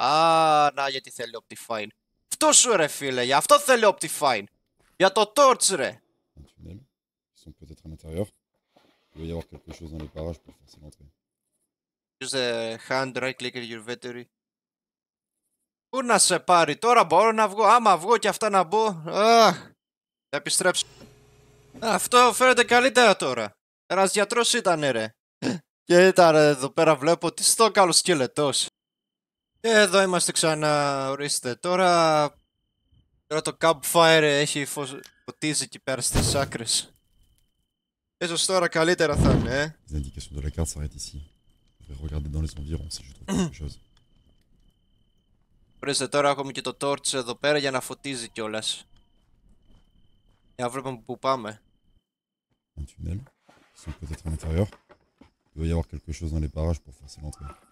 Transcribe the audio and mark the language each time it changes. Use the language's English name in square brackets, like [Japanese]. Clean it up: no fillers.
[Greek] Α, να γιατί θέλει Optifine. Αυτό σου ρε φίλε. Για αυτό θέλει Optifine. Για το torch, ρε. [French] Un tunnel. Ils sont peut-être à l'intérieur. Il doit y avoir quelque chose dans les parages pour faire s'entrer. [English] Use the hand, right-click your battery. [Greek] Πού να σε πάρει, τώρα μπορώ να βγω, άμα βγω και αυτά να μπω, αχ, επιστρέψω. Αυτό φαίνεται καλύτερα τώρα, ένας γιατρός ήτανε ρε. Και ήταν εδώ πέρα βλέπω ότι στο καλό σκελετός. Και εδώ είμαστε ξανά, ορίστε, τώρα... Τώρα το campfire έχει φωτίζει εκεί πέρα στις άκρες. Ίσως τώρα καλύτερα θα είναι, ε. [French] Les indications de la carte s'arrêtent ici. Je vais regarder dans les environs si je trouve quelque chose. [Greek] Ορίστε, τώρα έχουμε και το torch εδώ πέρα για να φωτίζει κιόλας. Για να βλέπουμε που πάμε. [French] Un tunnel. Ils sont peut-être à l'intérieur. Il doit y avoir quelque chose dans les parages pour forcer l'entrée.